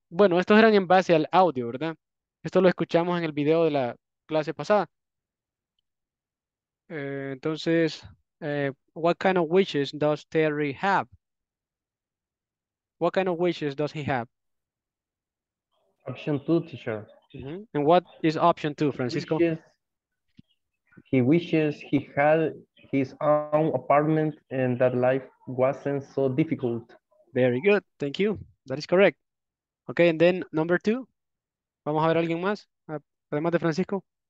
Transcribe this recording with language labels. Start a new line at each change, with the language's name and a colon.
Spanish: Bueno, estos eran en base al audio, ¿verdad? Esto lo escuchamos en el video de la clase pasada.
English: Entonces, what kind of wishes does Terry have? What kind of wishes does he have? Option two, teacher. And what is option two, Francisco? He wishes he had his own apartment and that life wasn't so difficult. Very good. Thank you. That is correct. Okay, and then number two.
Spanish: Vamos a ver a alguien más, además de Francisco.